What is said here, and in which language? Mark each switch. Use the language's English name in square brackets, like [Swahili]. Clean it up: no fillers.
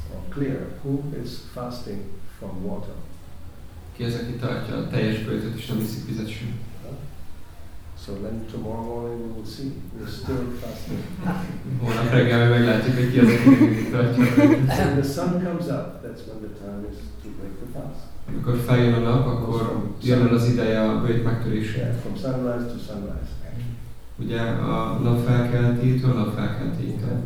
[English] Clear. Who is fasting from water? [Hungarian] Ki az, aki tartja a teljes bőtöt és nem iszik vizet sem? [English] So then tomorrow morning we will see. We are still fasting. [Hungarian] Holnap reggel meglátjuk, hogy ki az, aki tartja. [English] When the sun comes up, that's when the time is to break the fast. [Hungarian] Amikor feljön a nap, akkor jön az ideje a bőt megtörésre. [English] Yeah, from sunrise to sunrise. [Hungarian] Ugye a nap felkeltétől a nap felkeltétől.